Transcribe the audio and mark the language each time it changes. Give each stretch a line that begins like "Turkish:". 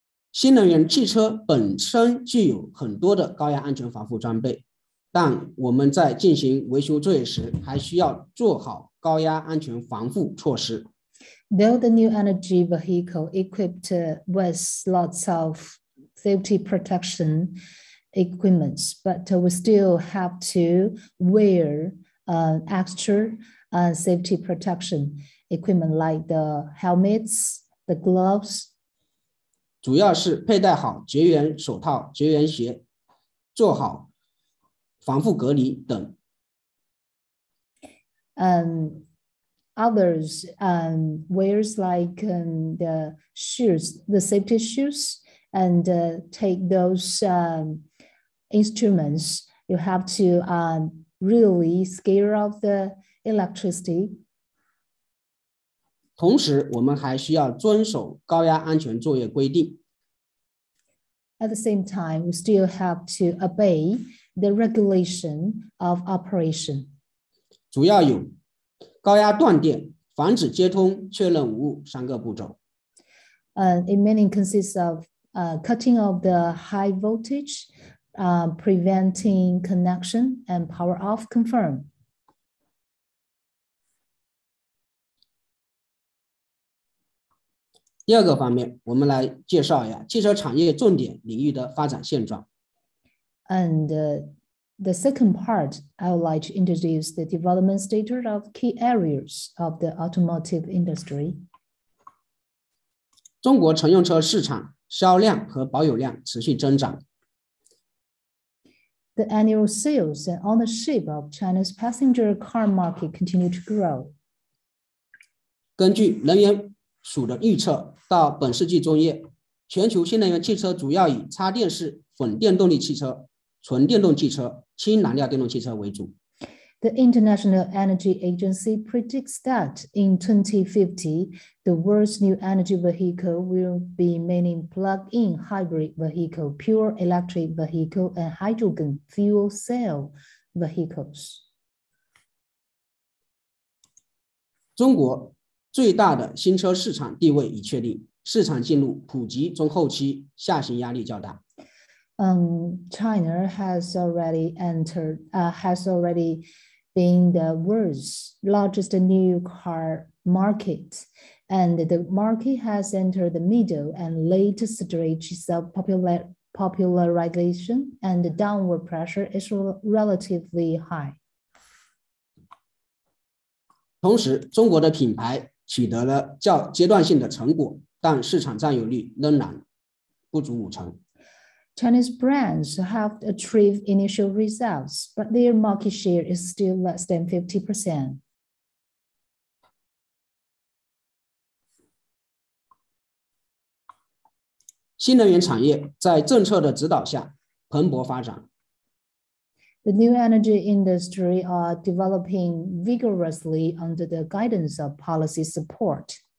Chinese: 新能源汽车本身具有很多的高压安全防护装备，但我们在进行维修作业时还需要做好高压安全防护措施。
English: Though the new energy vehicle equipped with lots of safety protection equipment, but we still have to wear extra safety protection equipment like the helmets, the gloves.
Chinese: 主要是佩戴好绝缘手套、绝缘鞋，做好防护隔离等。
English: Others wears like the shoes, the safety shoes, and take those instruments. You have to really scare off the electricity.
Chinese: 同时，我们还需要遵守高压安全作业规定。
English: At the same time, we still have to obey the regulation of operation.
Chinese: 主要有高压断电、防止接通、确认无误三个步骤。
English: It mainly consists of cutting off the high voltage, preventing connection and power off confirm.
Chinese: 第二个方面，我们来介绍一下汽车产业重点领域的发展现状。
English: And the second part, I would like to introduce the development status of key areas of the automotive industry.
Chinese: 中国乘用车市场销量和保有量持续增长。
English: The annual sales and ownership of China's passenger car market continue to grow.
Chinese: 根据能源署的预测，到本世纪中叶，全球新能源汽车主要以插电式混电动力汽车、纯电动汽车、氢燃料电动汽车为主。
English: The International Energy Agency predicts that in 2050, the world's new energy vehicle will be mainly plug-in hybrid vehicle, pure electric vehicle, and hydrogen fuel cell vehicles.
Chinese: 中国最大的新车市场地位已确立，市场进入普及中后期，下行压力较大。
English: China has already entered, has already been the world's largest new car market, and the market has entered the middle and late stage of popularization, and the downward pressure is relatively high.
Chinese: 同时，中国的品牌取得了较阶段性的成果，但市场占有率仍然不足五成。
English: Chinese brands have achieved initial results, but their market share is still less than 50%.
Chinese: 新能源产业在政策的指导下蓬勃发展。
English: The new energy industry are developing vigorously under the guidance of policy support.